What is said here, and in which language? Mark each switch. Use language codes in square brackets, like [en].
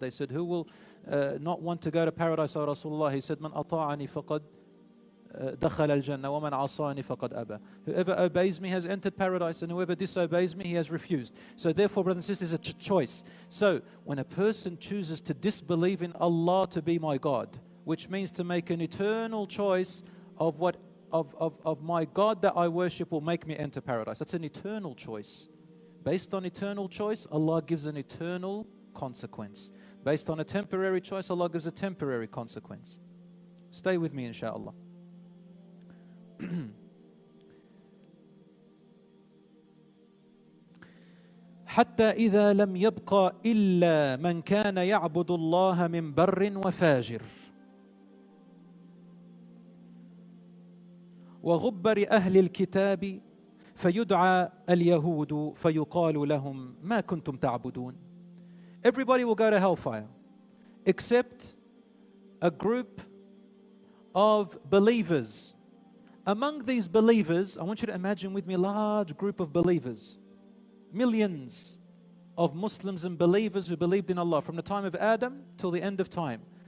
[en] They said, who will not want to go to paradise, O Rasulullah? He said, [ar] من أطاعني فقد دخل الجنة ومن عصاني فقد أبى. [en] Whoever obeys me has entered paradise and whoever disobeys me, he has refused. So therefore, brothers and sisters, it's a choice. So when a person chooses to disbelieve in Allah to be my God, which means to make an eternal choice of my God that I worship will make me enter paradise. That's an eternal choice. Based on eternal choice, Allah gives an eternal consequence. Based on a temporary choice, Allah gives a temporary consequence. Stay with me, inshallah. ها [ar] حتى إذا لم يبقى إلا من كان يعبد الله من بر وفاجر وغبر أهل الكتاب فيدعى اليهود فيقال لهم ما كنتم تعبدون. [en] Everybody will go to hellfire except a group of believers. Among these believers, I want you to imagine with me a large group of believers, millions of Muslims and believers who believed in Allah from the time of Adam till the end of time.